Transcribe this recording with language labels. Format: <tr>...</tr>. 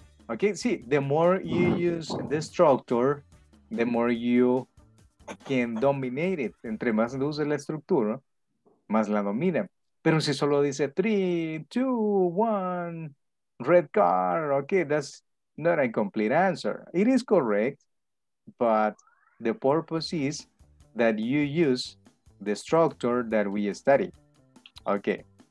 <en>Okay, see, the more you use the structure, the more you can dominate it.</en> <es>Entre más uses la estructura, más la domina. Pero si solo dice</es> <en>3, 2, 1, red car, okay, that's not a complete answer. It is correct, but the purpose is that you use the structure that we study. Okay.</en>